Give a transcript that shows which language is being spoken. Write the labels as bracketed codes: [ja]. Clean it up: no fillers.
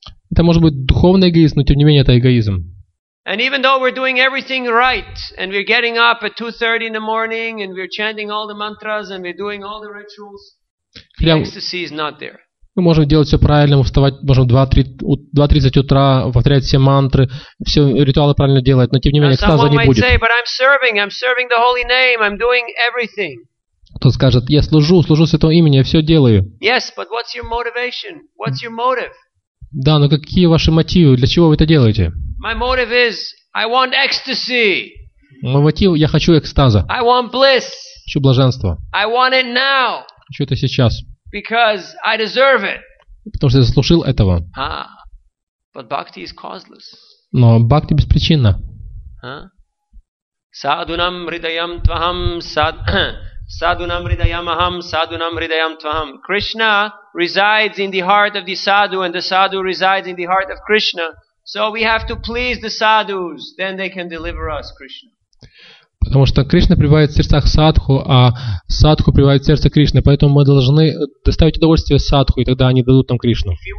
[ru] Это может быть духовный эгоизм, но тем не менее это эгоизм. [en] And even though we're doing everything right, and we're getting up at 2:30 in the morning, and we're chanting all the mantras, and we're doing all the rituals, the ecstasy is not there. [ru] Мы можем делать все правильно, вставать, можем 2:30 утра, повторять все мантры, все ритуалы правильно делать, но тем не менее экстаза не будет. [en] Say, but I'm serving the holy name, I'm doing everything. [ru] Кто скажет, я служу, служу святому имени, я все делаю. [en] Yes, but what's your motivation? What's your motive? [ru] Да, но какие ваши мотивы, для чего вы это делаете? [en] My motive is, I want ecstasy. [ru] Мой мотив, я хочу экстаза. [en] I want bliss. [ru] Хочу блаженство. [en] I want it now. [ru] Хочу это сейчас. [en] Because I deserve it. [ru] Потому что я заслужил этого. [en] But bhakti is causeless. [ru] Но бхакти беспричинна. [sa] Садунам ридаям твахам садунам ридаям ахам садунам ридаям твахам. [en] Krishna resides in the heart of the sadhu and the sadhu resides in the heart of Krishna. So we have to please the sadhus, then they can deliver us, Krishna. [ru] Потому что Кришна пребывает в сердцах садху, а садху пребывает в сердце Кришны, поэтому мы должны доставить удовольствие садху, и тогда они дадут нам Кришну.